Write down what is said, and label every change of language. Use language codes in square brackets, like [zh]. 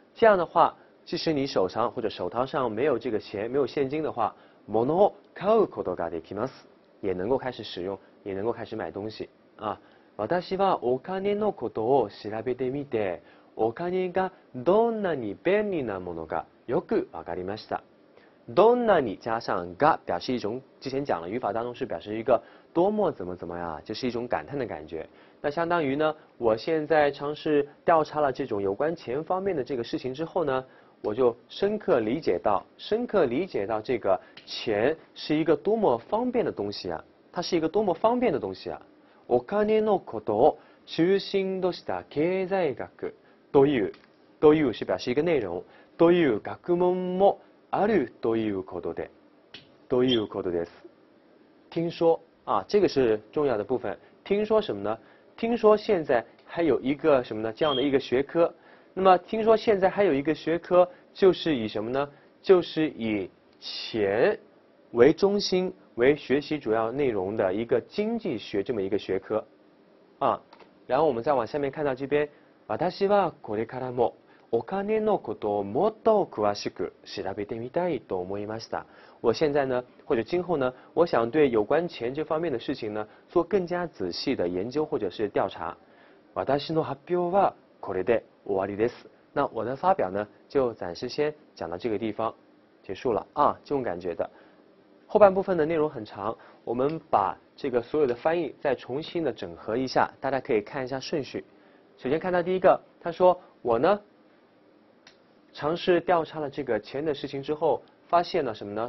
[zh] 这样的话，即使你手上或者手套上没有这个钱，没有现金的话， [ja] ものを買うことができます， [zh] 也能够开始使用，也能够开始买东西。啊， [ja] 私はお金のことを調べてみて、お金がどんなに便利なものかよくわかりました。 [zh] どんなに加上が表示一种，之前讲了语法当中是表示一个多么怎么怎么样，就是一种感叹的感觉。那相当于呢，我现在尝试调查了这种有关钱方面的这个事情之后呢，我就深刻理解到这个钱是一个多么方便的东西啊，它是一个多么方便的东西啊。 [ja] お金のことを中心とした経済学という [zh] 是表示一个内容 [ja] という学問もあるということで、ということです。 [zh] 听说啊，这个是重要的部分。听说什么呢？听说现在还有一个什么呢？这样的一个学科。那么听说现在还有一个学科，就是以什么呢？就是以钱为中心，为学习主要内容的一个经济学这么一个学科。啊，然后我们再往下面看到这边， [ja] 私はこれからも。お金のことをもっと詳しく調べてみたいと思いました。 [zh] 我现在呢，或者今后呢，我想对有关钱这方面的事情呢，做更加仔细的研究或者是调查。 [ja] 私の発表はこれで終わりです。 [zh] 那我的发表呢，就暂时先讲到这个地方，结束了啊，这种感觉的。后半部分的内容很长，我们把这个所有的翻译再重新的整合一下，大家可以看一下顺序。首先看到第一个，他说我呢。尝试调查了这个钱的事情之后，发现了什么呢？